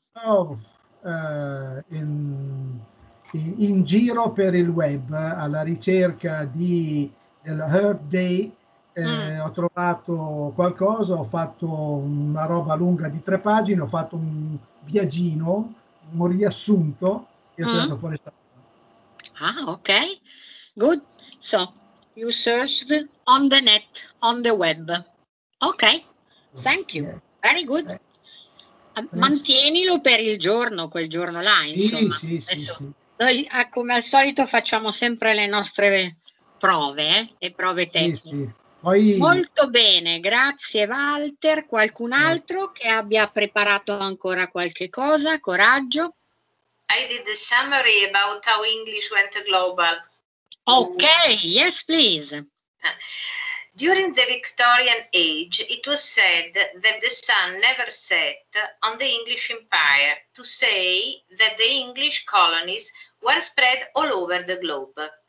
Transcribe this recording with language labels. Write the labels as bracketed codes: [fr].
[it] In giro per il web, alla ricerca della Earth Day, ho trovato qualcosa, ho fatto una roba lunga di 3 pagine, ho fatto un viaggino, un riassunto e ho tirato fuori sta cosa. [en] Ah, ok. Good. So, you searched on the net, on the web. Ok. Thank you. Yeah. Very good. Okay. [it] Mantienilo per il giorno, quel giorno là, insomma. Sì. Noi, come al solito, facciamo sempre le nostre prove, le prove tecniche. Sì. Poi... Molto bene, grazie Walter. Qualcun altro che abbia preparato ancora qualche cosa? Coraggio. [en] I did the summary about how English went global. Ok, yes please. During the Victorian age, it was said that the sun never set on the English Empire, to say that the English colonies were spread all over the globe.